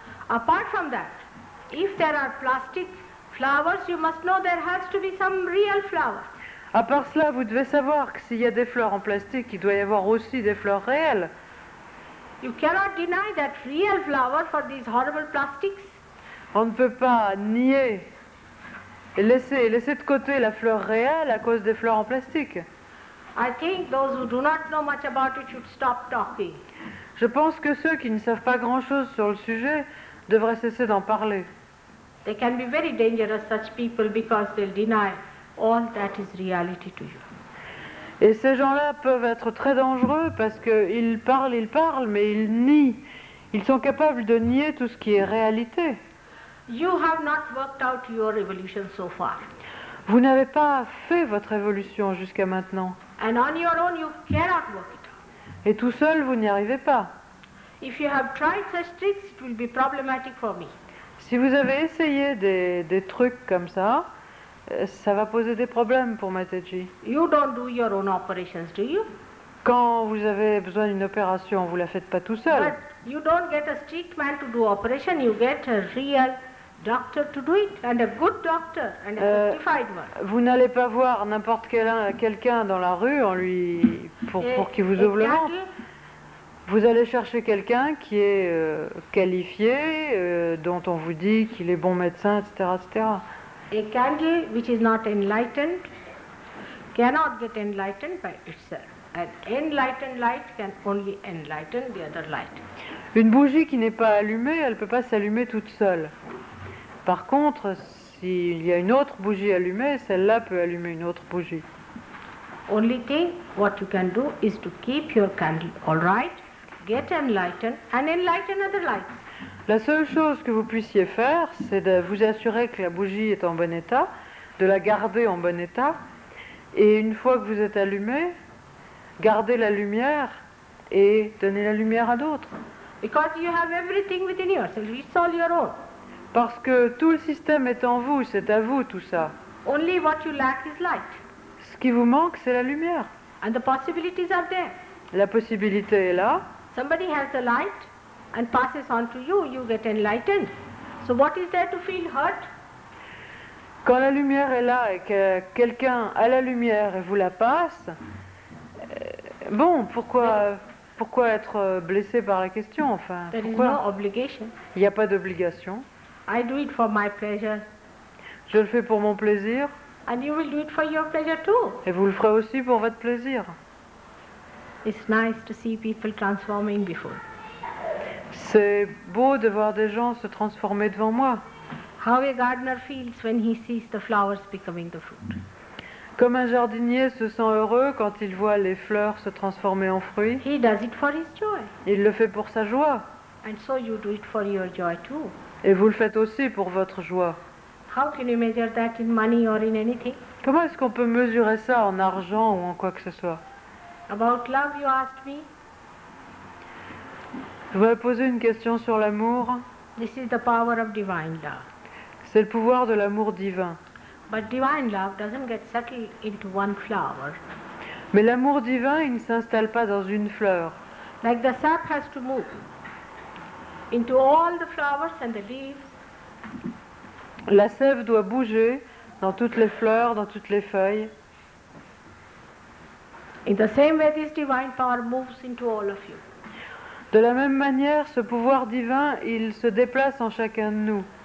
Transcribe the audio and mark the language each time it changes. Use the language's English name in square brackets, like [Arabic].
[English] Apart from that, if there are plastic flowers, you must know there has to be some real flower. [French] À part cela, vous devez savoir que s'il y a des fleurs en plastique, il doit y avoir aussi des fleurs réelles. [English] You cannot deny that real flower for these horrible plastics. [French] On ne peut pas nier et laisser de côté la fleur réelle à cause des fleurs en plastique. [English] I think those who do not know much about it should stop talking. [French] Je pense que ceux qui ne savent pas grand-chose sur le sujet devraient cesser d'en parler. [English] They can be very dangerous such people because they'll deny all that is reality to you. [French] Et ces gens-là peuvent être très dangereux parce que ils parlent mais ils nient. Ils sont capables de nier tout ce qui est réalité. [English] You have not worked out your evolution so far. [French] Vous n'avez pas fait votre évolution jusqu'à maintenant. [English] And on your own you cannot work it out. [French] Et tout seul vous n'y arrivez pas. [English] If you have tried such tricks it will be problematic for me. [French] Si vous avez essayé des trucs comme ça, ça va poser des problèmes pour Mataji. [English] You don't do your own operations, do you? [French] Quand vous avez besoin d'une opération, vous la faites pas tout seul. [English] But you don't get a strict man to do operation, you get a real doctor to do it, and a good doctor, and a certified one. [French] Vous n'allez pas voir n'importe quelqu'un dans la rue en lui pour qu'il vous ouvre le ventre. Vous allez chercher quelqu'un qui est qualifié, dont on vous dit qu'il est bon médecin, etc., etc. [English] A candle which is not enlightened cannot get enlightened by itself. An enlightened light can only enlighten the other light. [French] Une bougie qui n'est pas allumée, elle ne peut pas s'allumer toute seule. Par contre, s'il y a une autre bougie allumée, celle-là peut allumer une autre bougie. [English] Only thing what you can do is to keep your candle all right, get enlightened and enlighten other lights. [French] La seule chose que vous puissiez faire, c'est de vous assurer que la bougie est en bon état, de la garder en bon état, et une fois que vous êtes allumé, garder la lumière et donner la lumière à d'autres. [English] Because you have everything within yourself, it's all your own. [French] Parce que tout le système est en vous, c'est à vous tout ça. [English] Only what you lack is light. [French] Ce qui vous manque, c'est la lumière. [English] And the possibilities are there. [French] La possibilité est là. [English] Somebody has the light and passes on to you, you get enlightened. So what is there to feel hurt? [French] Quand la lumière est là et que quelqu'un a la lumière et vous la passe, bon, pourquoi être blessé par la question, enfin, [English] there is no obligation. [French] Il n'y a pas d'obligation. [English] I do it for my pleasure. [French] Je le fais pour mon plaisir. [English] And you will do it for your pleasure too. [French] Et vous le ferez aussi pour votre plaisir. [English] It's nice to see people transforming before. [French] C'est beau de voir des gens se transformer devant moi. [English] How a gardener feels when he sees the flowers becoming the fruit. [French] Comme un jardinier se sent heureux quand il voit les fleurs se transformer en fruits. [English] He does it for his joy. [French] Il le fait pour sa joie. [English] And so you do it for your joy too. [French] Et vous le faites aussi pour votre joie. [English] How can you measure that in money or in anything? [French] Comment est-ce qu'on peut mesurer ça en argent ou en quoi que ce soit? [English] About love, you asked me. [French] Vous m'avez posé une question sur l'amour. [English] This is the power of divine love. [French] C'est le pouvoir de l'amour divin. [English] But divine love doesn't get settled into one flower. [French] Mais l'amour divin, il ne s'installe pas dans une fleur. [English] Like the sap has to move into all the flowers and the leaves. [French] La sève doit bouger dans toutes les fleurs, dans toutes les feuilles. [English] In the same way, this divine power moves into all of you. [French] De la même manière, ce pouvoir divin, il se déplace en chacun de nous.